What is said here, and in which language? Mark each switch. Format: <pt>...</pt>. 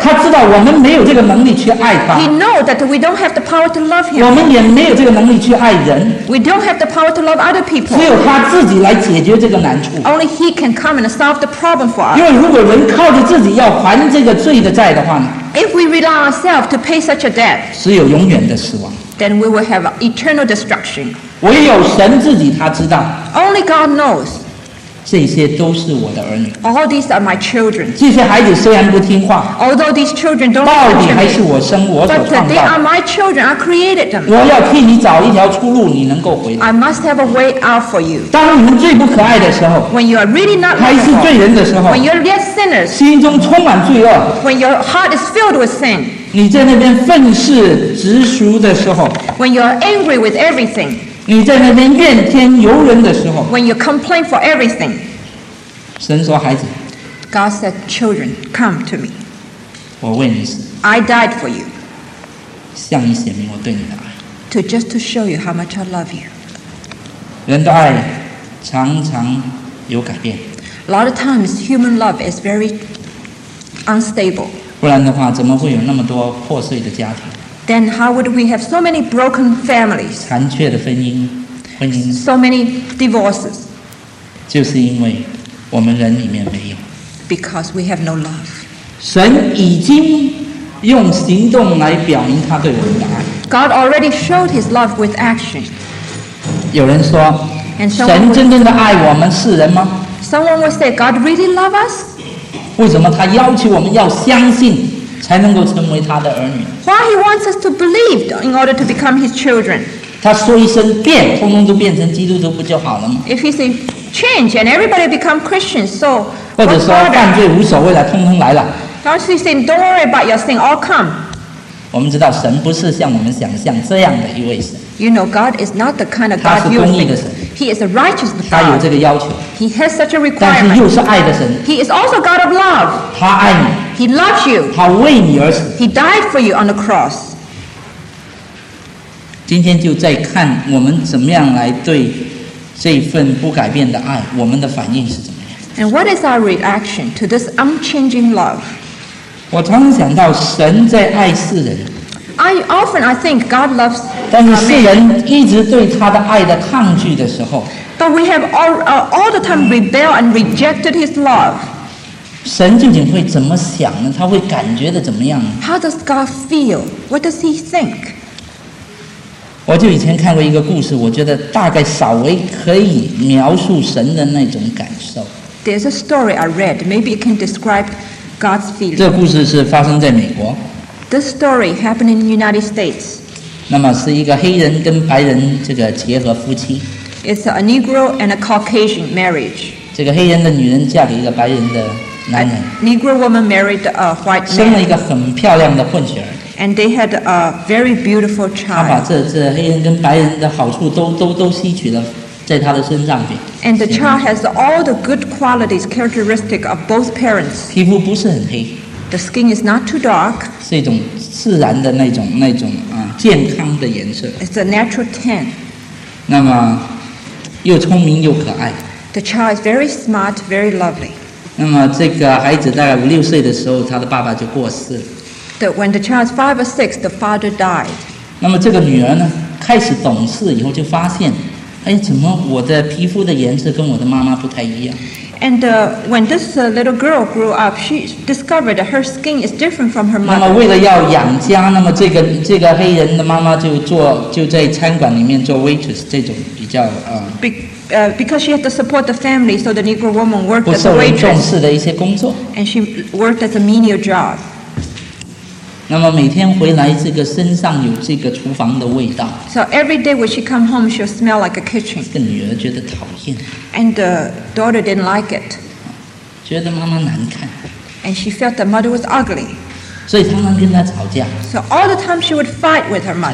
<zh>他知道我们没有这个能力去爱他。</zh> <en>He knows that we don't have the power to love him.</en> <zh>我们也没有这个能力去爱人。</zh> <en>We don't have the power to love other people.</en> <zh>只有他自己来解决这个难处。</zh> <en>Only he can come and solve the problem for us.</en> <zh>因为如果人靠着自己要还这个罪的债的话呢？</zh> <en>If we rely on ourselves to pay such a debt,</en> <zh>只有永远的死亡。</zh> <en>Then we will have eternal destruction.</en> <zh>唯有神自己他知道。</zh> <en>Only God knows.</en> <zh>这些都是我的儿女。</zh> <en>All these are my children.</en> <zh>这些孩子虽然不听话，</zh> <en>although these children don't listen to me,</en> <zh>到底还是我生我所创造的。</zh> <en>But they are my children. I created them.</en> <zh>我要替你找一条出路，你能够回来。</zh> <en>I must have a way out for you.</en> <zh>当你们最不可爱的时候，</zh> <en>when you are really not lovable,</en> <zh>还是罪人的时候，</zh> <en>when you are yet sinners,</en> <zh>心中充满罪恶，</zh> <en>when your heart is filled with sin,</en> <zh>你在那边愤世嫉俗的时候，</zh> <en>when you are angry with everything.</en> <zh>你在那边怨天尤人的时候，</zh> <en>When you complain for everything,</en> <zh>神说孩子，</zh> <en>God said, children, come to me.</en> <zh>我为你死，</zh> <en>I died for you.</en> <zh>向你显明我对你的爱，</zh> <en>to just to show you how much I love you.</en> <zh>人的爱常常有改变，</zh> <en>A lot of times human love is very unstable.</en> <zh>不然的话怎么会有那么多破碎的家庭？</zh> <en>Then how would we have so many broken families?</en> <zh>残缺的婚姻， 婚姻。</zh> <en>So many divorces.</en> <zh>就是因为我们人里面没有。</zh> <en>Because we have no love.</en> <zh>神已经用行动来表明他对我们的爱。</zh> <en>God already showed his love with action.</en> <zh>有人说，神真正的爱我们世人吗？</zh> <en>Someone would say, God really love us?</en> <zh>为什么他要求我们要相信才能够成为他的儿女？</zh> <en>Why he wants us to believe in order to become his children?</en> <zh>他说一声变，通通都变成基督徒不就好了吗？</zh> <en>If he say change and everybody become Christians, so</en> <zh>或者说犯罪无所谓了，通通来了。</zh> <en>Or he say don't worry about your sin, all come.</en> <zh>我们知道神不是像我们想象这样的一位神。</zh> <en>You know God is not the kind of God you think.</en> <zh>他是公义的神。</zh> <en>He is a righteous God.</en> <zh>他有这个要求。</zh> <en>He has such a requirement.</en> <zh>但是又是爱的神。</zh> <en>He is also God of love.</en> <zh>他爱你。</zh> <en>He loves you.</en> <zh>他为你而死。</zh> <en>He died for you on the cross.</en> <zh>今天就在看我们怎么样来对这份不改变的爱，我们的反应是怎么样。</zh> <en>And what is our reaction to this unchanging love?</en> <zh>我常常想到神在爱世人。</zh> <en>I think God loves.</en> <zh>但是世人一直对他的爱的抗拒的时候。</zh> <en>But we have all the time rebelled and rejected his love.</en> <zh>神究竟会怎么想呢？他会感觉的怎么样呢？</zh> <en>How does God feel? What does he think?</en> <zh>我就以前看过一个故事，我觉得大概稍微可以描述神的那种感受。</zh> <en>There's a story I read. Maybe it can describe God's feeling.</en> <zh>这故事是发生在美国。</zh> <en>This story happened in the United States.</en> <zh>那么是一个黑人跟白人这个结合夫妻。</zh> <en>It's a Negro and a Caucasian marriage.</en> <zh>这个黑人的女人嫁给一个白人的男人。</zh> <en>A Negro woman married a white man.</en> <zh>生了一个很漂亮的混血儿。</zh> <en>And they had a very beautiful child.</en> <zh>他把这黑人跟白人的好处都吸取了在他的身上去。</zh> <en>And the child has all the good qualities characteristic of both parents.</en> <zh>皮肤不是很黑。</zh> <en>The skin is not too dark.</en> <zh>是一种自然的那种健康的颜色。</zh> <en>It's a natural tan.</en> <zh>那么又聪明又可爱。</zh> <en>The child is very smart, very lovely.</en> <zh>那么这个孩子大概五六岁的时候，他的爸爸就过世了。</zh> <en>That when the child is 5 or 6, the father died.</en> <zh>那么这个女儿呢，开始懂事以后就发现，哎，怎么我的皮肤的颜色跟我的妈妈不太一样？</zh> <en>And when this little girl grew up, she discovered that her skin is different from her mother.</en> <zh>那么为了要养家，那么这个黑人的妈妈就在餐馆里面做 waitress 这种比较</zh> <en>Because she had to support the family, so the Negro woman worked as a waitress.</en> <zh>不受人重视的一些工作。</zh> <en>And she worked as a menial job.</en> <zh>那么每天回来，这个身上有这个厨房的味道。</zh> <en>So every day when she come home, she'll smell like a kitchen.</en> <zh>这个女儿觉得讨厌。</zh> <en>And the daughter didn't like it.</en> <zh>觉得妈妈难看。</zh> <en>And she felt the mother was ugly.</en> <zh>所以常常跟她吵架。</zh> <en>So all the time she would fight with her mother.</en>